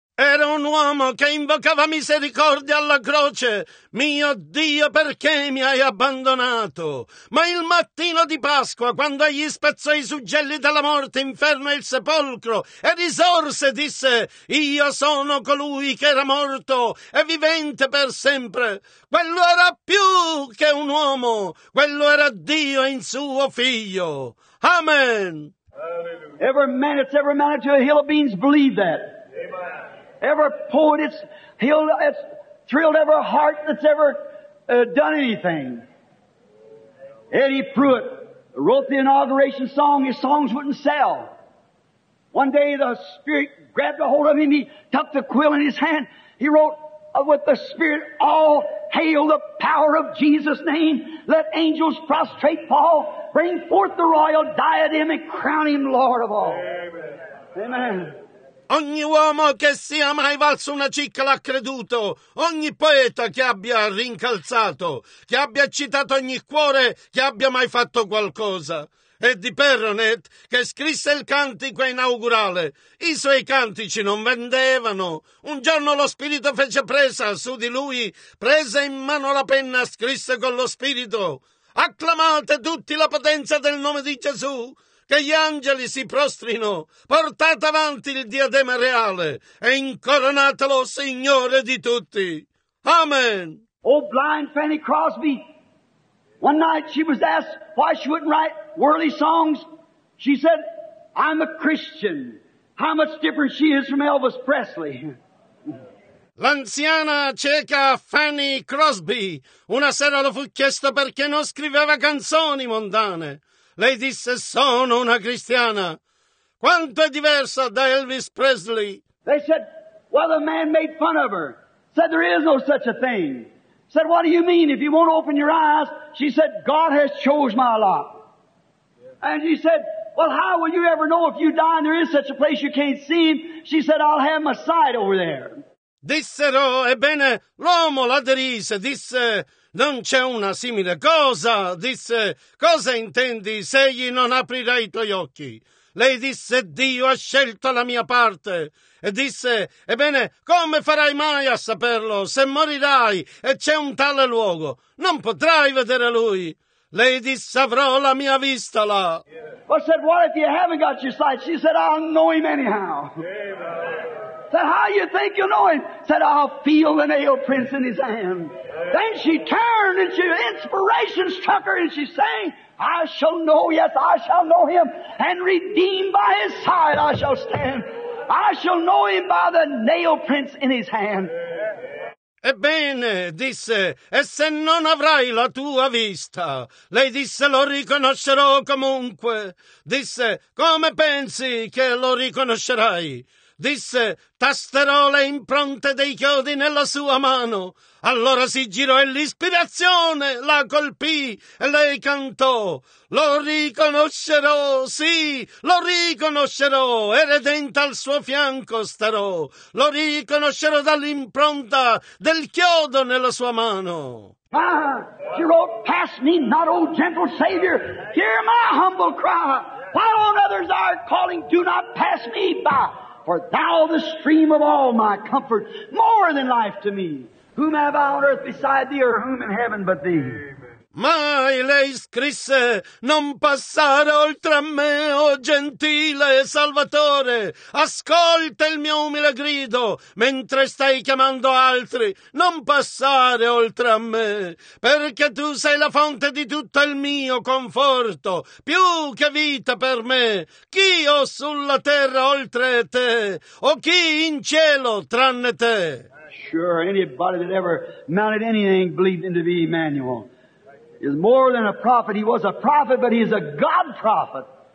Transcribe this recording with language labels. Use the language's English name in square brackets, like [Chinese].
[Italian] Era un uomo che invocava misericordia alla croce. Mio Dio, perché mi hai abbandonato? Ma il mattino di Pasqua, quando egli spezzò i suggelli della morte, inferno e il sepolcro, e risorse, disse, io sono colui che era morto e vivente per sempre. Quello era più che un uomo. Quello era Dio in suo figlio. Amen. Hallelujah. [English] Every man to a hill of beans believe that. Amen. Every poet, it's thrilled every heart that's ever done anything. Eddie Pruitt wrote the inauguration song. His songs wouldn't sell. One day the Spirit grabbed a hold of him. He tucked the quill in his hand. He wrote with the Spirit, all hail the power of Jesus' name. Let angels prostrate fall. Bring forth the royal diadem and crown him Lord of all. Amen. Amen. [Italian] Ogni uomo che sia mai valso una cicca l'ha creduto, ogni poeta che abbia rincalzato, che abbia eccitato ogni cuore, che abbia mai fatto qualcosa. E di Perronet, che scrisse il cantico inaugurale, i suoi cantici non vendevano. Un giorno lo Spirito fece presa su di lui, prese in mano la penna, scrisse con lo Spirito, «Acclamate tutti la potenza del nome di Gesù!» Che gli angeli si prostrino, portate avanti il diadema reale e incoronatelo Signore di tutti. Amen. [English] Oh, blind Fanny Crosby. One night she was asked why she wouldn't write worldly songs. She said, I'm a Christian. How much different she is from Elvis Presley. [Italian] L'anziana cieca Fanny Crosby una sera lo fu chiesto perché non scriveva canzoni mondane. Lei disse, sono una cristiana. Quanto è diversa da Elvis Presley? [English] They said, well, the man made fun of her. Said, there is no such a thing. Said, what do you mean? If you won't open your eyes, she said, God has chose my lot. And he said, well, how will you ever know if you die and there is such a place you can't see him? She said, I'll have my sight over there. [Italian] Dissero, ebbene, l'uomo la derise, disse, non c'è una simile cosa, disse, cosa intendi se egli non aprirà i tuoi occhi? Lei disse, Dio ha scelto la mia parte, e disse, ebbene, come farai mai a saperlo, se morirai e c'è un tale luogo, non potrai vedere lui. Lei disse, avrò la mia vista là. [English] Well, said, what if you haven't got your sight? She said, I'll know him anyhow. Said, how you think you know him? Said, I'll feel the nail prints in his hand. Then she turned and she inspiration struck her and she sang, I shall know, yes, I shall know him, and redeemed by his side I shall stand. I shall know him by the nail prints in his hand. [Italian] Ebbene, disse, e se non avrai la tua vista? Lei disse, lo riconoscerò comunque. Disse, come pensi che lo riconoscerai? Disse, tasterò le impronte dei chiodi nella sua mano. Allora si girò e l'ispirazione la colpì e lei cantò, lo riconoscerò, sì, lo riconoscerò, e redenta al suo fianco starò, lo riconoscerò dall'impronta del chiodo nella sua mano. [English] She wrote, pass me not, O gentle Savior, hear my humble cry, while on others are calling, do not pass me by. For thou the stream of all my comfort, more than life to me. Whom have I on earth beside thee, or whom in heaven but thee? [Italian] Mai lei scrisse, non passare oltre a me, o gentile Salvatore. Ascolta il mio umile grido, mentre stai chiamando altri. Non passare oltre a me, perché tu sei la fonte di tutto il mio conforto. Più che vita per me, chi ho sulla terra oltre te, o chi in cielo tranne te? [English] Sure, anybody that ever mounted anything believed him to be Emmanuel. Is more than a prophet. He was a prophet, but he is a God prophet.